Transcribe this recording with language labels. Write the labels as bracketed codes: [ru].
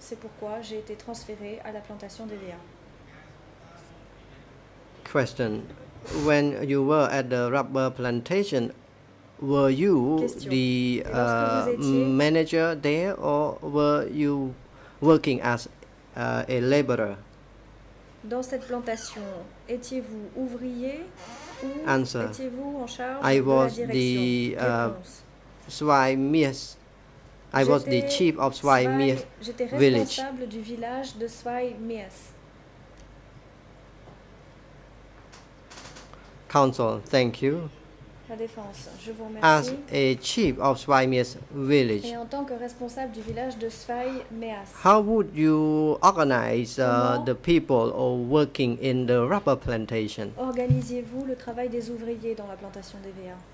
[fr] C'est pourquoi j'ai été transférée à la plantation d'EVA. [en] Question. When you were at the rubber plantation, were you the manager there or were you working as a laborer? [fr] Dans cette plantation, étiez-vous ouvrier ou [en] Answer. [fr] Étiez-vous en charge [en] I was [fr] de la direction? [en] I was the chief of Swai Mies village. [fr] J'étais responsable du village de Swai Mies. [en] Counsel, thank you. [fr] La défense, je vous remercie. [en] As a chief of Swai Mies village, [fr] et en tant que responsable du village de Swai Mies, [en] how would you organize the people or working in the rubber plantation? [fr] Organisiez-vous le travail des ouvriers dans la plantation d'EVA?